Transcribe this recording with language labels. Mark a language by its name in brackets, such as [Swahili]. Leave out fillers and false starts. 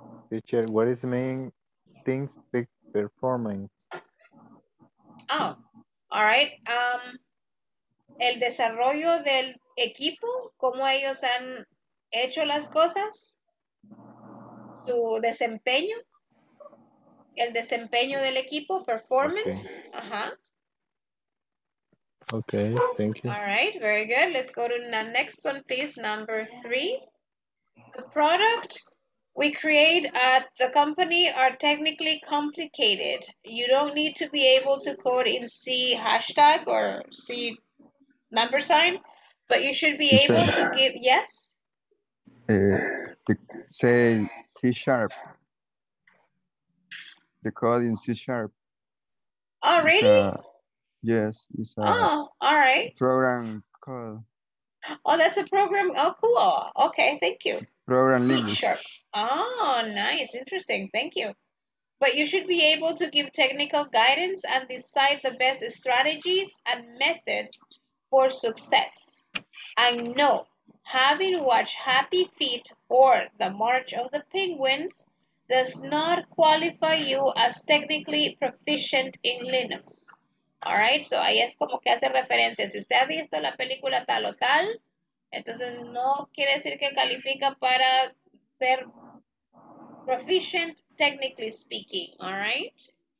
[English] Teacher, what is the main thing speak performance? Oh, all right. [Spanish] El desarrollo del equipo, cómo ellos han hecho las cosas, su desempeño, el desempeño del equipo, performance. [English] Okay. Uh-huh. Okay, thank you. All right, very good. Let's go to the next one, please, number three. The product we create at the company are technically complicated. You don't need to be able to code in C hashtag or C number sign, But you should be C-sharp. Able to give, yes? Say C-sharp. The code in C-sharp. Oh, really? Yes. It's a oh, all right. Program code. Oh, that's a program. Oh, cool. Okay, thank you. Program language. C-sharp. Oh, nice. Interesting. Thank you. But you should be able to give technical guidance and decide the best strategies and methods for success. I know, having watched Happy Feet or The March of the Penguins does not qualify you as technically proficient in Linux. All right, [Spanish] so ahí es como que hace referencia. Si usted ha visto la película tal o tal, entonces no quiere decir que califica para ser [English] proficient, technically speaking, all right?